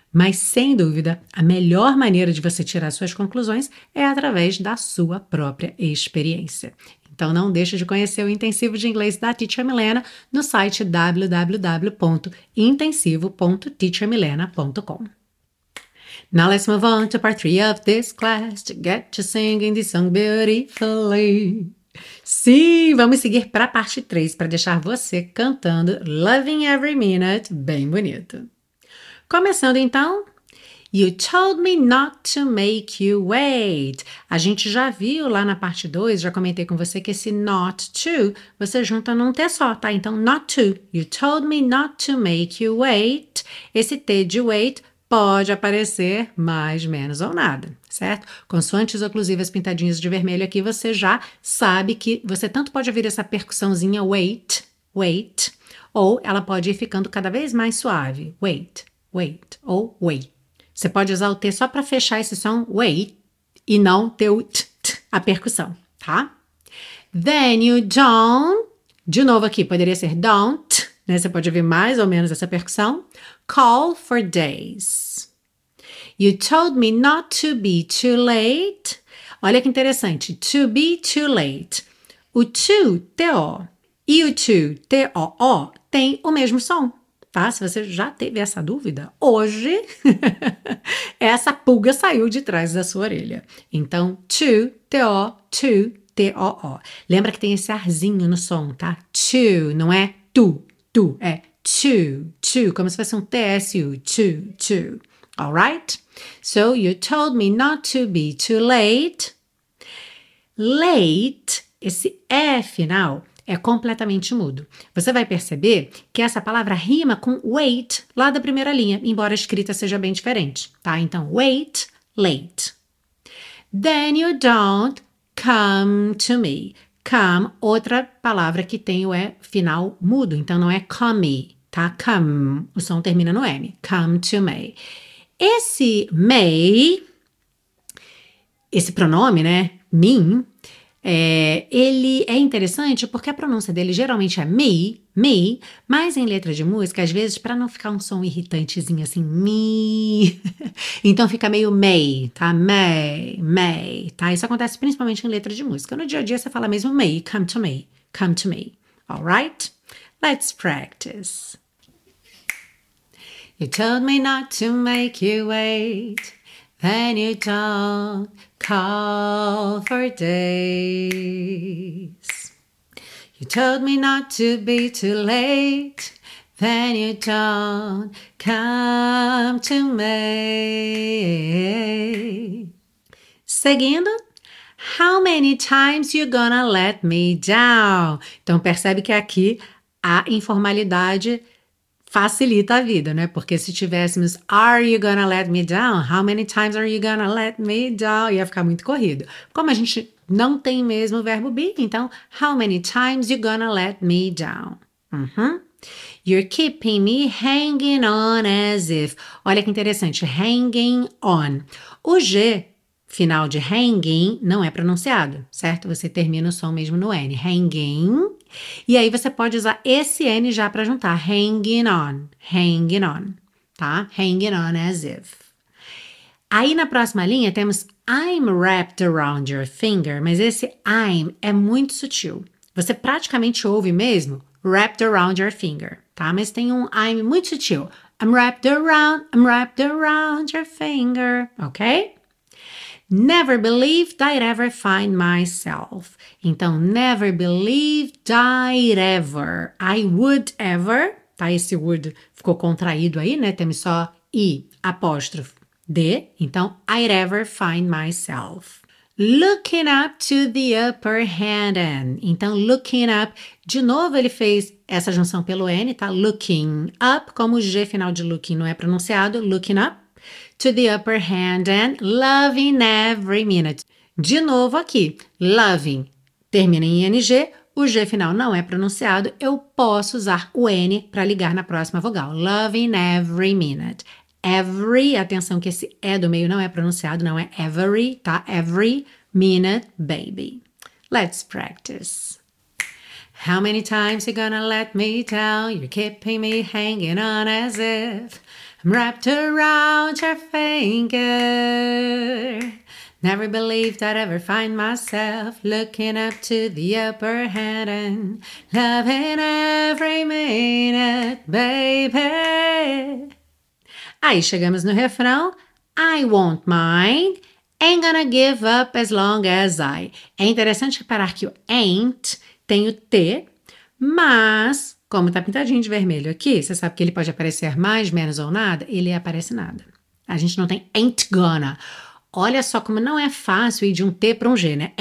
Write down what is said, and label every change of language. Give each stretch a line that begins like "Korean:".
Portuguese: Mas, sem dúvida, a melhor maneira de você tirar suas conclusões é através da sua própria experiência. Então, não deixe de conhecer o Intensivo de Inglês da Teacher Milena no site www.intensivo.teachermilena.com.
English: Now let's move on to part 3 of this class to get to singing this song beautifully.
Portuguese: Sim, vamos seguir para a parte 3 para deixar você cantando Loving Every Minute bem bonito. Começando então,
English: You Told Me Not To Make You Wait.
Portuguese: A gente já viu lá na parte 2, já comentei com você que esse not to, você junta num T só, tá? Então, not to.
English: You Told Me Not To Make You Wait.
Portuguese: Esse T de wait pode aparecer mais, menos ou nada, certo? Consoantes oclusivas pintadinhas de vermelho aqui, você já sabe que você tanto pode ouvir essa percussãozinha wait, wait, ou ela pode ir ficando cada vez mais suave, wait, wait, ou wait. Você pode usar o T só para fechar esse som, wait, e não ter o t, t, a percussão, tá?
English: Then you don't,
Portuguese: de novo aqui, poderia ser don't, né? Você pode ouvir mais ou menos essa percussão,
English: call for days. You told me not to be too late.
Portuguese: Olha que interessante. To be too late. O to, T-O, e o to, T-O-O, tem o mesmo som. Tá? Se você já teve essa dúvida, hoje essa pulga saiu de trás da sua orelha. Então, to, T-O, to, T-O-O. Lembra que tem esse arzinho no som, tá? To, não é tu, tu, é to, to, como se fosse um TSU, to, to.
English: All right? So, you told me not to be too late.
Portuguese: Late, esse E final, é completamente mudo. Você vai perceber que essa palavra rima com wait lá da primeira linha, embora a escrita seja bem diferente, tá? Então, wait,
English: late. Then you don't come to me.
Portuguese: Come, outra palavra que tem o E final mudo, então não é come, tá? Come, o som termina no M.
English: Come to me.
Portuguese: Esse me, esse pronome, né? Mim, ele é interessante porque a pronúncia dele geralmente é me, me, mas em letra de música, às vezes, para não ficar um som irritantezinho assim, me, então fica meio me, tá? Me, me, tá? Isso acontece principalmente em letra de música. No dia a dia você fala mesmo me,
English: come to me, come to me. All right? Let's practice. You told me not to make you wait. Then you don't call for days. You told me not to be too late. Then you don't come to me.
Portuguese: Seguindo.
English: How many times you gonna let me down?
Portuguese: Então percebe que aqui a informalidade facilita a vida, né? Porque se tivéssemos,
English: are you gonna let me down? How many times are you gonna let me down?
Portuguese: Ia ficar muito corrido. Como a gente não tem mesmo o verbo be, então,
English: how many times you gonna let me down? Uhum. You're keeping me hanging on as if.
Portuguese: Olha que interessante, hanging on. O G, final de hanging, não é pronunciado, certo? Você termina o som mesmo no N. Hanging. E aí você pode usar esse N já para juntar,
English: hanging on, hanging on,
Portuguese: tá?
English: Hanging on as if.
Portuguese: Aí na próxima linha temos
English: I'm wrapped around your finger,
Portuguese: mas esse I'm é muito sutil. Você praticamente ouve mesmo wrapped around your finger, tá? Mas tem um I'm muito sutil.
English: I'm wrapped around your finger, ok? Never believed I'd ever find myself. Então, never believed I'd ever. I would ever.
Portuguese: Tá, esse would ficou contraído aí, né? Temos só I, apóstrofo, D.
English: Então, I'd ever find myself. Looking up to the upper hand. Então, looking up.
Portuguese: De novo, ele fez essa junção pelo N, tá?
English: Looking up.
Portuguese: Como o G final de looking não é pronunciado,
English: looking up. To the upper hand and loving every minute.
Portuguese: De novo aqui, loving termina em ing, o g final não é pronunciado, eu posso usar o n para ligar na próxima vogal.
English: Loving every minute.
Portuguese: Every, atenção que esse e do meio não é pronunciado, não é every, tá?
English: Every minute, baby. Let's practice. How many times you gonna let me down? You're keeping me hanging on as if. I'm wrapped around your finger. Never believed I'd ever find myself looking up to the upper hand and loving every minute, baby. Aí chegamos no refrão. I won't mind. Ain't gonna give up as long as I.
Portuguese: É interessante reparar que o ain't tem o T, mas como tá pintadinho de vermelho aqui, você sabe que ele pode aparecer mais, menos ou nada, ele aparece nada. A gente não tem ain't gonna. Olha só como não é fácil ir de um T para um G, né?